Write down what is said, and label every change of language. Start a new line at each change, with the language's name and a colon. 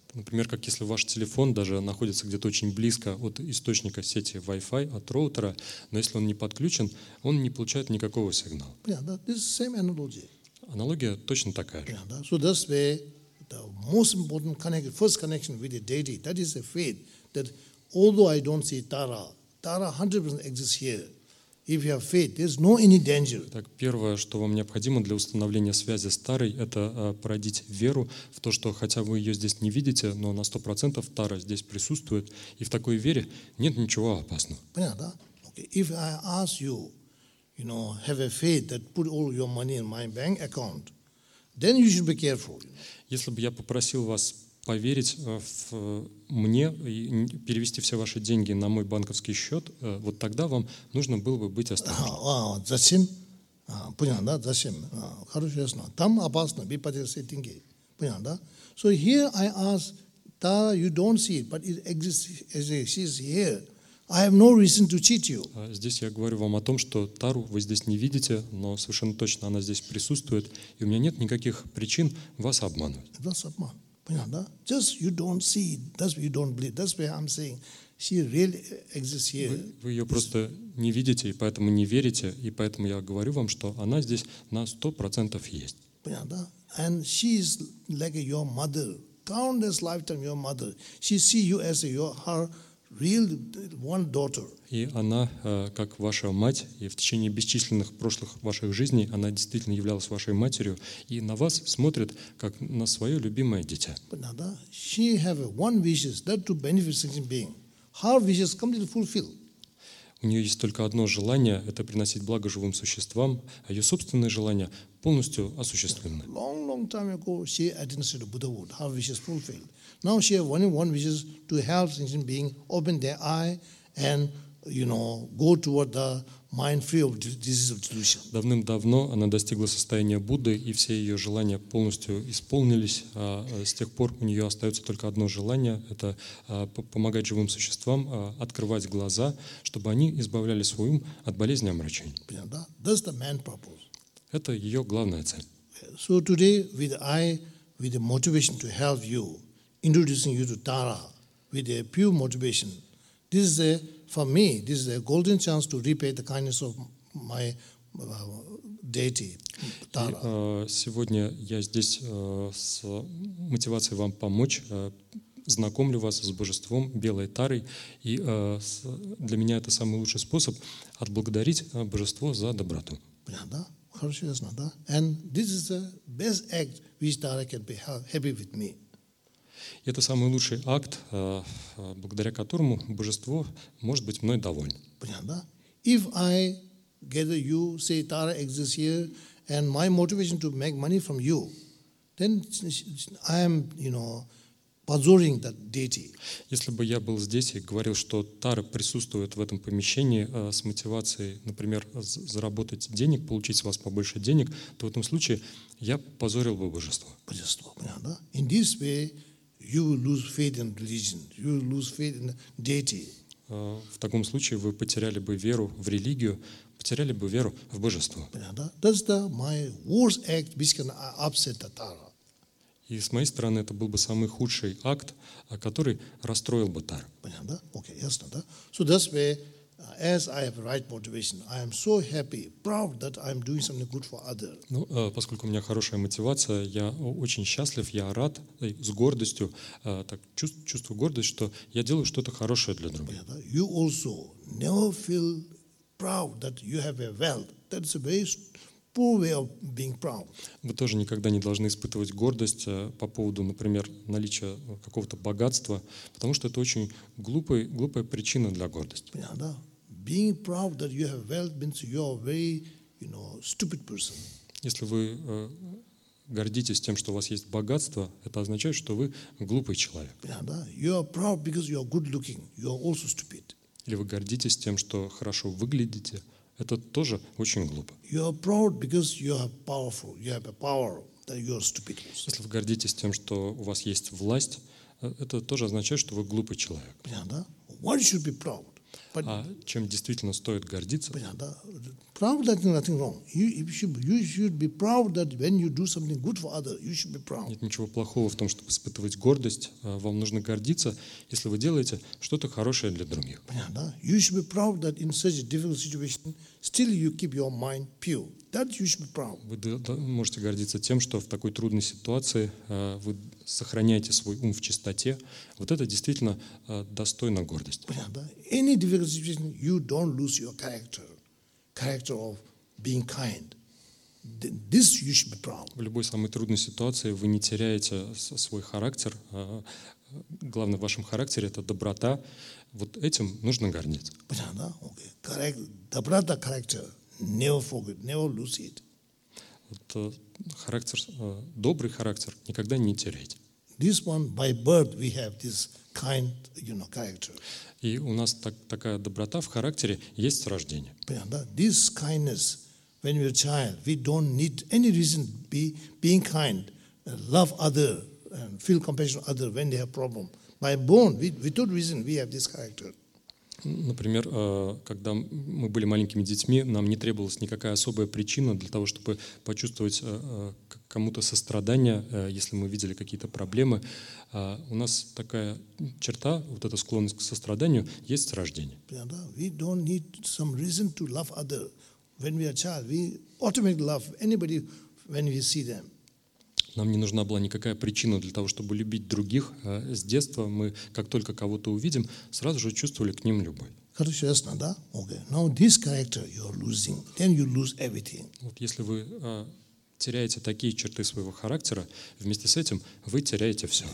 Russian: Например, как если ваш телефон даже находится где-то очень близко от источника сети Wi-Fi, от роутера, но если он не подключен, он не получает никакого сигнала.
English: Yeah, that is the same analogy.
Russian: Аналогия точно такая же.
English: Yeah, so that's where the most important connection, first connection with the deity, that is the faith, that although I don't see Tara, Tara 100% exists here. If you have faith, there's no any danger.
Russian: Так, первое, что вам необходимо для установления связи с Тарой, это породить веру в то, что хотя вы ее здесь не видите, но на 100% Тара здесь присутствует, и в такой вере нет ничего опасного. Понятно, да? Okay.
English: If I ask you, you know, have a faith that put all your money in my bank account, then you should be careful.
Russian: Если бы я попросил вас поверить в мне и перевести все ваши деньги на мой банковский счет, вот тогда вам нужно было бы быть осторожным. Зачем? Понятно, да? Зачем? Хорошо, ясно. Там опасно, вы потеряете деньги. Понятно, да?
English: So here I ask, Tara, you don't see it, but it exists, it is here. I have no reason to cheat you.
Russian: Здесь я говорю вам о том, что Тару вы здесь не видите, но совершенно точно она здесь присутствует, и у меня нет никаких причин вас обманывать. Вас обман. Понятно, да?
English: Just you don't see, that's why you don't believe. That's why I'm saying she really exists here.
Russian: Вы ее просто не видите и поэтому не верите, и поэтому я говорю вам, что она здесь на 100% есть. Понятно, да?
English: And she is like your mother, countless lifetime your mother. She see you as your her real one daughter.
Russian: И она как ваша мать, и в течение бесчисленных прошлых ваших жизней она действительно являлась вашей матерью, и на вас смотрит как на свое любимое дитя. Понятно?
English: She have one wishes, that to benefit sentient being. Her wishes completely fulfill.
Russian: У нее есть только одно желание, это приносить благо живым существам, а ее собственное желание полностью осуществлено.
English: Long, long time ago she attained the Buddha world. Her wishes fulfilled. Now she have only one wishes to help sentient being open their eye and you know, go toward the mind free of disease of delusion.
Russian: Давным-давно она достигла состояния Будды, и все ее желания полностью исполнились. А с тех пор у нее остается только одно желание — это помогать живым существам открывать глаза, чтобы они избавляли свой ум от болезни омрачений. Понятно, да?
English: That's the main purpose.
Russian: Это ее главная цель.
English: So today, with the motivation to help you, introducing you to Tara, with a pure motivation, this is a for me, this is a golden chance to repay the kindness of my deity, Tara.
Russian: И, сегодня я здесь с мотивацией вам помочь, знакомлю вас с божеством Белой Тарой, и для меня это самый лучший способ отблагодарить божество за доброту. Понятно, да? Хорошо, ясно, да?
English: And this is the best act which Tara can be happy with me.
Russian: Это самый лучший акт, благодаря которому божество может быть мной доволен. Понятно, да?
English: If I gather you, say Tara exists here, and my motivation to make money from you, then I am, you know,
Russian: позоring
English: that deity.
Russian: Если бы я был здесь и говорил, что Тара присутствует в этом помещении с мотивацией, например, заработать денег, получить с вас побольше денег, то в этом случае я позорил бы божество. Божество, понятно, да?
English: In this way, you will lose faith in religion. You will lose faith in deity.
Russian: В таком случае вы потеряли бы веру в религию, потеряли бы веру в божество.
English: That's the my worst act which can upset the Tara.
Russian: И с моей стороны это был бы самый худший акт, который расстроил бы Тар. Понятно, да? Окей, ясно, да?
English: So that's why, as I have right motivation, I am so happy, proud that I am doing something good for others.
Russian: Ну, поскольку у меня хорошая мотивация, я очень счастлив, я рад, с гордостью, так чувствую гордость, что я делаю что-то хорошее для других. Понятно, да?
English: You also never feel proud that you have a wealth. That's a very poor way of being proud.
Russian: Вы тоже никогда не должны испытывать гордость по поводу, например, наличия какого-то богатства, потому что это очень глупая причина для гордости. Понятно, да?
English: Being proud that you have wealth means you are a very, you know, stupid person.
Russian: Если вы гордитесь тем, что у вас есть богатство, это означает, что вы глупый человек. Понятно, да?
English: You are proud because you are good looking. You are also stupid.
Russian: Или вы гордитесь тем, что хорошо выглядите, это тоже очень глупо.
English: You are proud because you are powerful. You have a power that you are stupid.
Russian: Если вы гордитесь тем, что у вас есть власть, это тоже означает, что вы глупый человек. Понятно, да?
English: Why should you be proud?
Russian: But, а чем действительно стоит гордиться?
English: Proud that nothing wrong. You should be proud that when you do something good for other, you should be proud.
Russian: Нет ничего плохого в том, чтобы испытывать гордость. Вам нужно гордиться, если вы делаете что-то хорошее для других. Понятно?
English: You should be proud that in such a difficult situation still you keep your mind pure. That you should be proud.
Russian: Вы можете гордиться тем, что в такой трудной ситуации вы сохраняете свой ум в чистоте. Вот это действительно достойно гордости. Понятно?
English: Any difficult situation, you don't lose your character. Character of being kind. This you should be proud.
Russian: В любой самой трудной ситуации вы не теряете свой характер. Главное в вашем характере это доброта. Вот этим нужно гордиться. Понятно?
English: Okay. Correct.
Russian: Доброта,
English: character. Never forget. Never lose it.
Russian: Вот характер, добрый характер, никогда не теряйте.
English: This one by birth we have this kind, you know, character.
Russian: И у нас такая доброта в характере есть с рождения. Понятно?
English: This kindness, when we're a child, we don't need any reason to be being kind, love other, and feel compassion for other when they have problem. By born, without reason, we have this character.
Russian: Например, когда мы были маленькими детьми, нам не требовалась никакая особая причина для того, чтобы почувствовать кому-то сострадание, если мы видели какие-то проблемы. У нас такая черта, вот эта склонность к состраданию, есть с рождения.
English: We don't need some reason to love other. When we are a child, we automatically love anybody when we see them.
Russian: Нам не нужна была никакая причина для того, чтобы любить других. С детства мы, как только кого-то увидим, сразу же чувствовали к ним любовь. Хорошо, ясно, да?
English: Okay. Now this character you're losing. Then you lose everything.
Russian: Вот если вы теряете такие черты своего характера, вместе с этим вы теряете все.